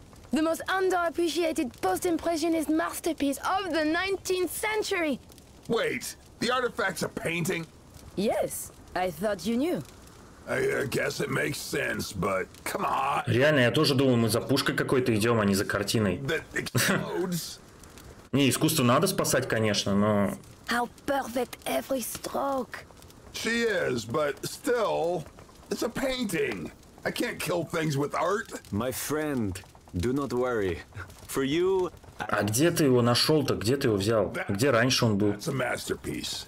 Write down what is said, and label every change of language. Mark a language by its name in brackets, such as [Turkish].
[English] The most underappreciated post-impressionist masterpiece of the 19th century. Wait, the artifact's a painting? Yes, I thought you knew. I guess it makes sense, but come on. [Russian] Реально, я тоже думал, мы за пушкой какой-то идем, а не за картиной. [English] That explodes. [Russian] Не, искусство надо спасать, конечно, но... [English] How perfect every stroke. She is, but still, it's a painting. I can't kill things with art. My friend, do not worry. For you... [Russian] А где ты его нашел-то? Где ты его взял? А где раньше он был? [English] It's a masterpiece.